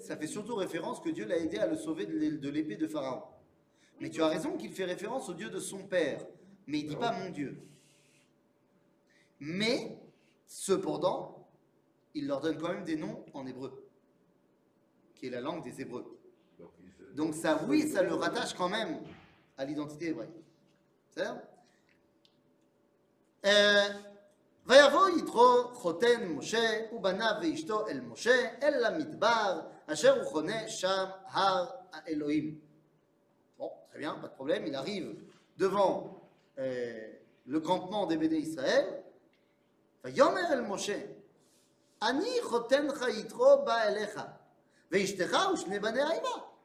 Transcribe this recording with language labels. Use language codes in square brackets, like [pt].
[fr] Ça fait surtout référence que Dieu l'a aidé à le sauver de l'épée de Pharaon. Mais tu as raison qu'il fait référence au Dieu de son père. mais il ne dit pas mon Dieu. Mais, cependant, il leur donne quand même des noms en hébreu, qui est la langue des Hébreux. Donc ça, oui, ça le rattache quand même à l'identité hébraïque. C'est-à-dire [he] ויבוא יתרו חותן משה ובנה ואשתו אל משה אל למדבר אשר הוא חונה שם הר האלוהים. [fr] Bon, très bien, pas de problème, il arrive devant le campement des Béné Israël. [he] ויאמר אל משה, אני חותן לך יתרו בא אליך ואשתך ושני בניה עמה.